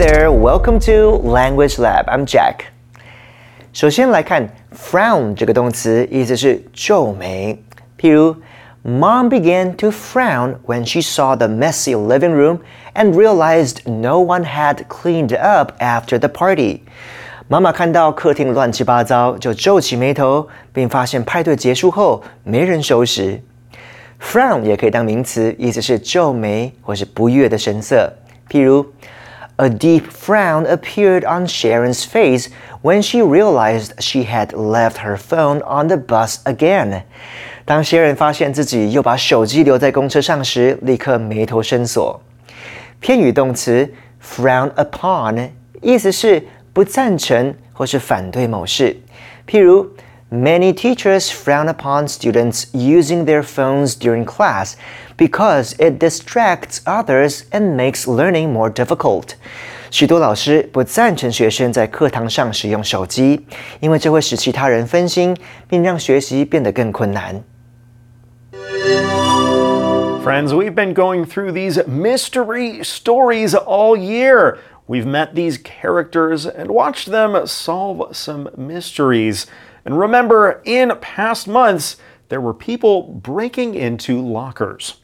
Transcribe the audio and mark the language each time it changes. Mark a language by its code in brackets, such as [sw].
[en] Welcome to Language Lab. I'm Jack. [zh] 首先来看 frown 这个动词，意思是皱眉。譬如 [en] ，Mom began to frown when she saw the messy living room and realized no one had cleaned up after the party. [zh] 妈妈看到客厅乱七八糟，就皱起眉头，并发现派对结束后没人收拾。 Frown 也可以当名词，意思是皱眉或是不悦的神色。譬如。 [en] A deep frown appeared on Sharon's face when she realized she had left her phone on the bus again. [zh] 当 Sharon 发现自己又把手机留在公车上时，立刻眉头深锁。偏语动词 frown upon 意思是不赞成或是反对某事。譬如 [en] ，Many teachers frown upon students using their phones during class. Because it distracts others and makes learning more difficult. [zh] 许多老师不赞成学生在课堂上使用手机，因为这会使其他人分心，并让学习变得更困难。 [en] Friends, we've been going through these mystery stories all year. We've met these characters and watched them solve some mysteries. And remember, in past months,There were people breaking into lockers.